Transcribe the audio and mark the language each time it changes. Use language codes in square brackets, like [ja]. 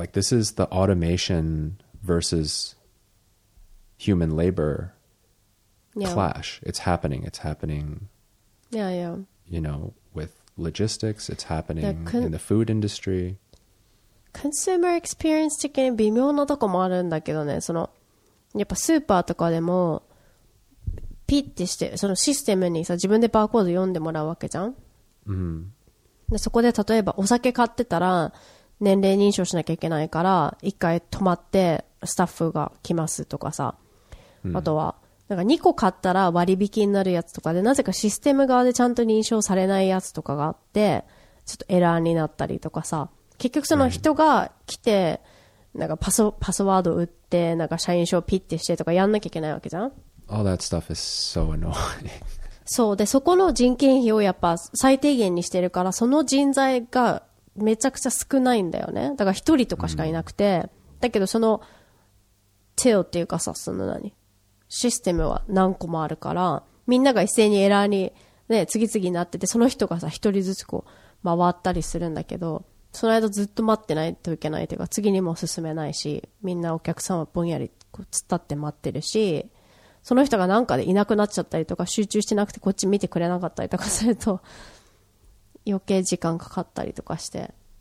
[en] Like, this is the automation versus human labor clash. It's happening. Yeah. You know, with logistics, it's happening in the food industry. [ja] Consumer experience 的に微妙なとこもあるんだけどね。その、やっぱスーパーとかでも、ピッてして、そのシステムにさ、自分でバーコード読んでもらうわけじゃん。うん。で、そこで例えばお酒買ってたら、年齢認証しなきゃいけないから、一回止まってスタッフが来ますとかさ。うん、あとは、なんか2個買ったら割引になるやつとかで、なぜかシステム側でちゃんと認証されないやつとかがあって、ちょっとエラーになったりとかさ。結局その人が来て、なんかパスワード打って、なんか社員証ピッてしてとかやんなきゃいけないわけじゃん。 [en] All that stuff is so annoying. [ja] そう。で、そこの人件費をやっぱ最低限にしてるから、その人材がめちゃくちゃ少ないんだよね。だから1人とかしかいなくて、だけどその、till っていうかさ、その何システムは何個もあるから、みんなが一斉にエラーにね、次々なってて、その人がさ、1人ずつこう、回ったりするんだけど、その間ずっと待ってないといけないというか、次にも進めないし、みんなお客さんはぼんやりこう突っ立って待ってるし、その人がなんかでいなくなっちゃったりとか、集中してなくてこっち見てくれなかったりとかすると、余計時間かかったりとかして。